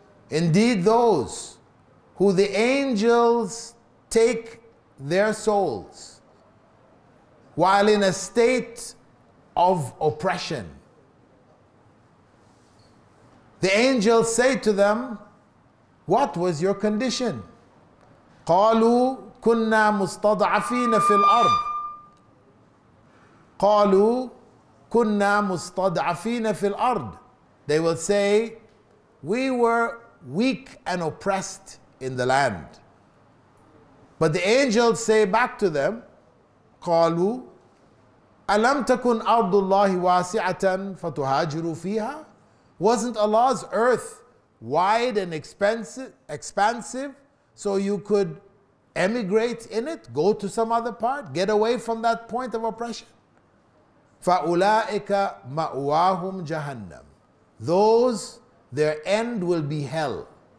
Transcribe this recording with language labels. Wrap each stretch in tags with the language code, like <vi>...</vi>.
<en>Indeed, those who the angels take their souls while in a state of oppression, the angels say to them, what was your condition?</en> <ar>قَالُوا كنا مستضعفين في الأرض. قالوا كنا مستضعفين في الأرض.</ar> <en>They will say, we were weak and oppressed in the land. But the angels say back to them,</en> <ar>قالوا ألم تكن أرض الله واسعة فتهاجروا فيها.</ar> <en>Wasn't Allah's earth wide and expansive so you could emigrate in it, go to some other part, get away from that point of oppression?</en> <ar>فَأُولَٰئِكَ مَأْوَاهُمْ جَهَنَّمْ.</ar> <en>Those, their end will be hell.</en>